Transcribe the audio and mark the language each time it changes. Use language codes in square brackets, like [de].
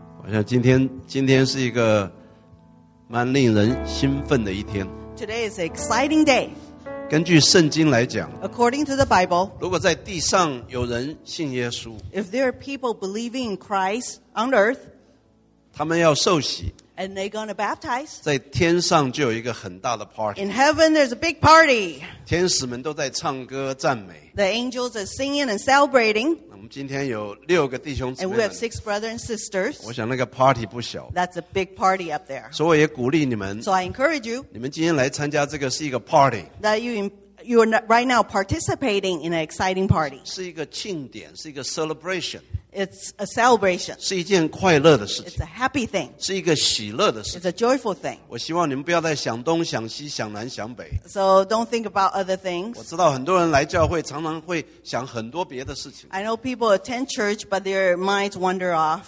[zh] 我想今天是一个蛮令人兴奋的一天。 [en] Today is an exciting day. [zh] 根据圣经来讲 [en] ，According to the Bible， [zh] 如果在地上有人信耶稣 [en] ，If there are people believing in Christ on earth， [zh] 他们要受洗 [en] ，And they're going to baptize， [zh] 在天上就有一个很大的 party。 [en] In heaven, there's a big party. [zh] 天使们都在唱歌赞美 [en] ，The angels are singing and celebrating。 [zh] 今天有六个弟兄姊妹 [en] ，and we have six brothers and sisters。 [zh] 我想那个 party 不小 [en] ，that's a big party up there。 [zh] 所以我也鼓励你们 [en] ，so I encourage you。 [zh] 你们今天来参加这个是一个 party。 [en] That you are right now participating in an exciting party。 [zh] 是一个庆典，是一个 celebration。 [en] It's a celebration。 [zh] 是一件快乐的事情。 [en] It's a happy thing。 [zh] 是一个喜乐的事情。 [en] It's a joyful thing。 [zh] 我希望你们不要再想东想西想南想北。 [en] So don't think about other things。 [zh] 我知道很多人来教会常常会想很多别的事情。 [en] I know people attend church but their minds wander off。